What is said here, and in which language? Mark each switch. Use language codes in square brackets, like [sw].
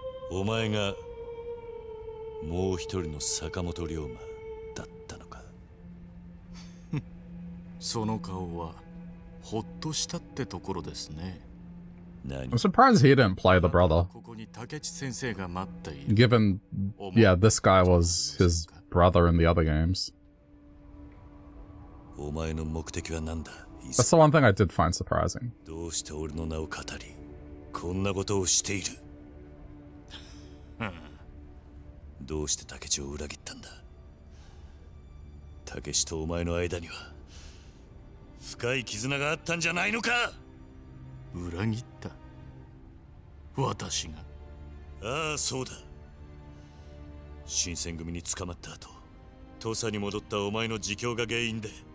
[ja] お前がもう一人の坂本龍馬だったのか。その顔はほっとしたってところですね。 [en] 何、 I'm surprised he didn't play the brother. [ja] ここに武智先生が待っている。 [en] Given, yeah, this guy was his brother in the other games. That's the one thing I did find surprising. [ja] どうして俺の名を語り、こんなことをしている。どうして竹地を裏切ったんだ。竹地とお前の間には深い絆があったんじゃないのか。裏切った。私が。ああ、そうだ。新選組に捕まった後、土佐に戻ったお前の自供が原因で。